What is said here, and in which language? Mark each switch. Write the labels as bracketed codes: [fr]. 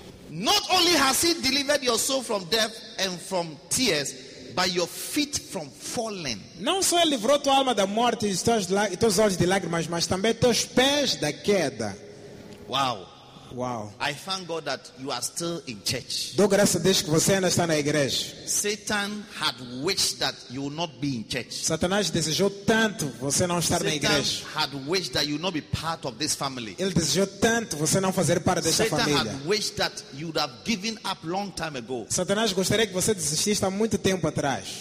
[en] Not only has he delivered your soul from death and from tears, by your feet from falling. [pt] Não só ele livrou tua alma da morte e teus olhos de lágrimas, mas também teus pés da queda. [en] Wow. [pt] Wow. [en] I thank God that you are still in church. [pt] Dou graças a Deus que você ainda está na igreja. [en] Satan had wished that you would not be in church. [pt] Satanás desejou tanto você não estar [en] Satan [pt] na igreja. [en] Satan had wished that you would not be part of this family. [pt] Ele desejou tanto você não fazer parte desta [en] Satan [pt] família. [en] Satan had wished that you would have given up long time ago. [pt] Satanás gostaria que você desistisse há muito tempo atrás.